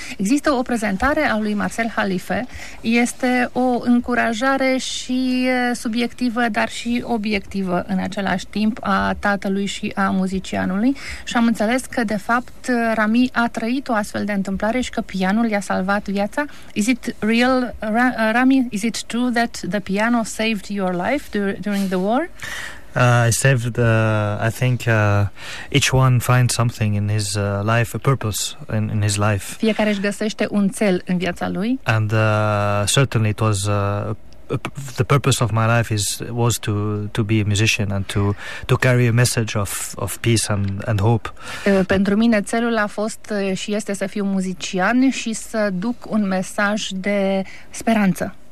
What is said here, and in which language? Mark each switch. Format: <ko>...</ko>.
<ro>Există o prezentare a lui Marcel Halife, este o încurajare și subiectivă, dar și obiectivă în același timp, a tatălui și a muzicianului, și am înțeles că de fapt Rami a trăit o astfel de întâmplare și că pianul i-a salvat viața.</ro> <en>Is it real, Rami? Is it true that the piano saved your life during the war? I saved. I think each one finds something in his life, a purpose in his life.</en> <ro>Fiecare își găsește un țel în viața lui.</ro> <en>And certainly it was the purpose of my life was to be a musician and to carry a message of peace and hope.</en> <ro>Pentru mine țelul a fost și este să fiu muzician și să duc un mesaj de speranță.</ro>